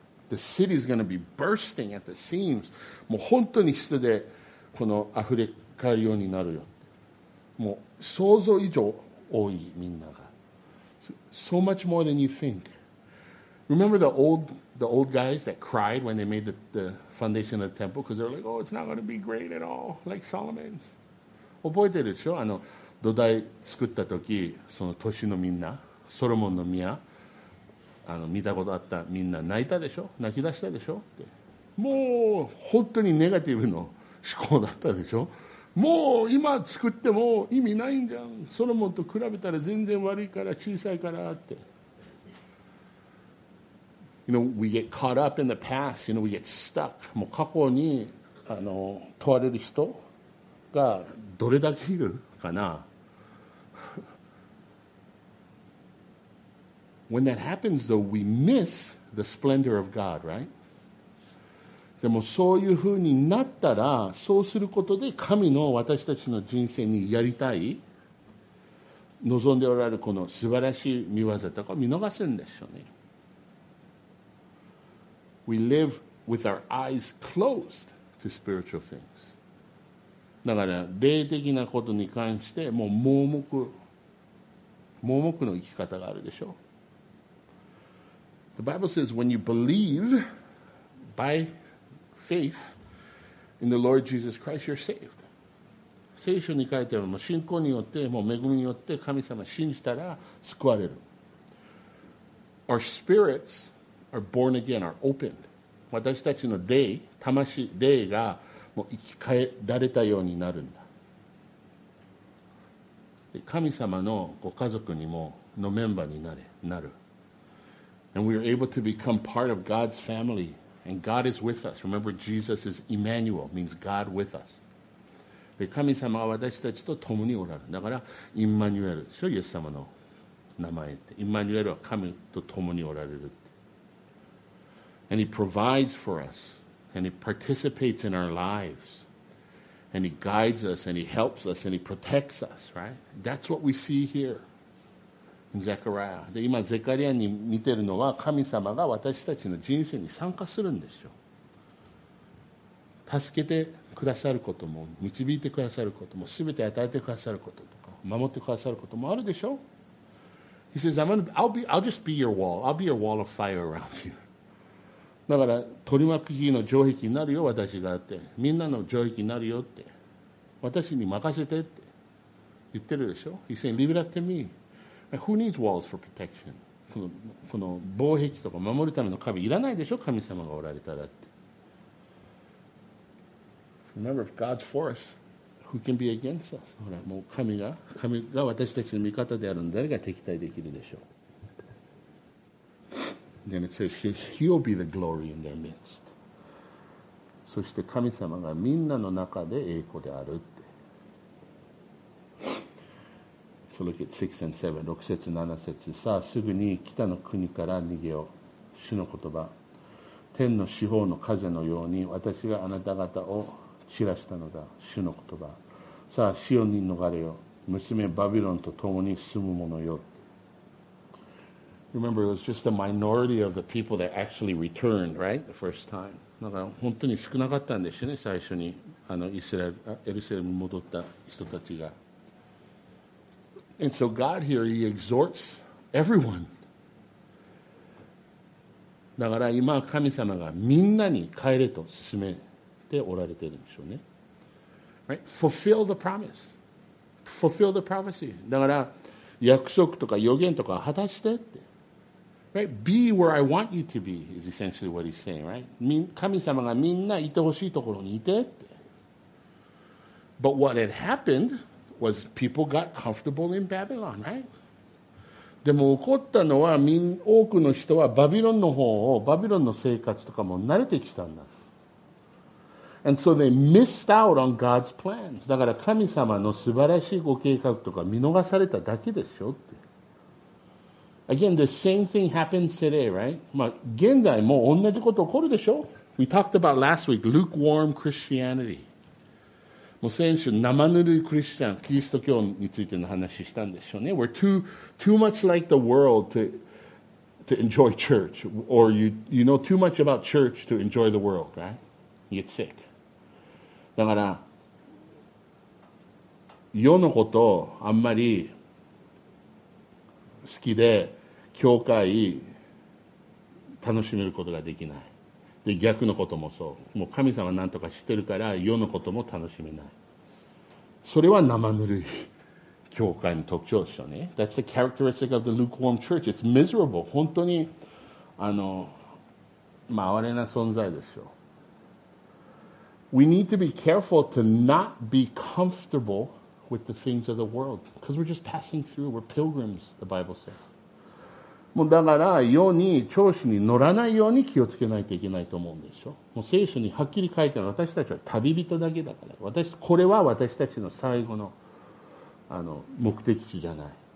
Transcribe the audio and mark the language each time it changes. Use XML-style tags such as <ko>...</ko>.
<en>The city is going to be bursting at the seams.</en> <ja>もう本当に人でこの溢れかえるようになるよ。もう想像以上多いみんなが。</ja> <en>So much more than you think. Remember the old guys that cried when they made the foundation of the temple? Because they're like, oh, it's not going to be great at all, like Solomon's.</en> <ja>覚えてるでしょ？あの土台作った時、その都市のみんな、ソロモンの宮、あの見たことあったみんな泣いたでしょ？泣き出したでしょ？って。もう本当にネガティブの思考だったでしょ？もう今作っても意味ないんじゃん。ソロモンと比べたら全然悪いから小さいからって。</ja> <en>You know, we get caught up in the past. You know, we get stuck.</en> <ja>もう過去に問われる人がどれだけいるかな。</ja> <en>When that happens, though, we miss the splendor of God, right?</en> <ja>でもそういうふうになったら、そうすることで神の私たちの人生にやりたい望んでおられるこの素晴らしい御業とかを見逃すんでしょうね。</ja> <en>We live with our eyes closed to spiritual things.</en> <ja>だから霊的なことに関してもう盲目の生き方があるでしょう。</ja> <en>The Bible says when you believe byFaith in the Lord Jesus Christ, you're saved.</en> <ja>聖書に書いてあるのも信仰によって、もう恵みによって神様信じたら救われる。</ja> <en>Our spirits are born again, are opened.</en> <ja>私たちの霊がもう生き返られたようになるんだ。で、神様のご家族にものメンバーになる。</ja> <en>And we are able to become part of God's family. And God is with us. Remember, Jesus is Emmanuel, means God with us.</en> <ja>で神様は私たちと共におられる。だからインマニュエルでしょ、イエス様の名前って。インマニュエルは神と共におられる。</ja> <en>And he provides for us. And he participates in our lives. And he guides us. And he helps us. And he protects us. Right? That's what we see here in Zechariah.</en> <ja>で今ゼカリアに見てるのは神様が私たちの人生に参加するんですよ。助けてくださることも導いてくださることも全て与えてくださることとか守ってくださることもあるでしょ。</ja> <en>He says, I'll just be your wall. I'll be your wall of fire around you.</en> <ja>だから取り巻く日の城壁になるよ私があって、みんなの城壁になるよって、私に任せてって言ってるでしょ。</ja> <en>He's saying, leave it up to me. Who needs walls for protection?</en> <ja>この防壁とか守るための壁いらないでしょ、神様がおられたらって。</ja> <en>Remember, if God's for us, who can be against us?</en> <ja>ほら、もう神が私たちの味方であるの、誰が敵対できるでしょう。</ja> <en>Then it says, He'll be the glory in their midst.</en> <ja>そして神様がみんなの中で栄光であるって。</ja> <en>So look at 6 and 7,</en> <ja>6節7節。さあ、すぐに北の国から逃げよう。主の言葉、天の四方の風のように私があなた方を知らしたのだ。主の言葉、さあシオンに逃れよ、娘バビロンと共に住む者よ。</ja> <en>Remember, it was just a minority of the people that actually returned, right? The first time.</en> <ja>だから本当に少なかったんですよね、最初にエルサレムに戻った人たちが。</ja> <en>And so God here, he exhorts everyone.</en> <ja>だから今神様がみんなに帰れと勧めでおられているんでしょうね。</ja> <en>Right? Fulfill the promise. Fulfill the prophecy.</en> <ja>だから約束とか予言とか果たしてって。</ja> <en>Right? Be where I want you to be is essentially what he's saying, right?</en> <ja>神様がみんないてほしいところにいてって。</ja> <en>But what had happened was people got comfortable in Babylon, right?</en> <ja>でも起こったのは多くの人はバビロンの方を、バビロンの生活とかも慣れてきたんだ。</ja> <en>And so they missed out on God's plans.</en> <ja>だから神様の素晴らしいご計画とか見逃されただけでしょって。</ja> <en>Again, the same thing happens today, right?</en> <ja>まあ現在も同じこと起こるでしょ。</ja> <en>We talked about last week, lukewarm Christianity.</en> <ja>もう先週生ぬるいクリスチャン、キリスト教についての話したんでしょうね。</ja> <en>We're too much like the world to enjoy church. Or you know too much about church to enjoy the world, right? You get sick.</en> <ja>だから世のことをあんまり好きで教会楽しめることができない。で逆のこともそう、もう神様なんとか知ってるから世のことも楽しめない。それは生ぬるい教会の特徴でしょうね。</ja> <en>That's the characteristic of the lukewarm church. It's miserable.</en> <ja>本当に哀れな存在ですよ。</ja> <en>We need to be careful to not be comfortable with the things of the world. Because we're just passing through. We're pilgrims, the Bible says.</en> <ja>もうだから世に、調子に乗らないように気をつけないといけないと思うんでしょ。もう聖書にはっきり書いてある、私たちは旅人だけだから。これは私たちの最後の、目的地じゃない。</ja>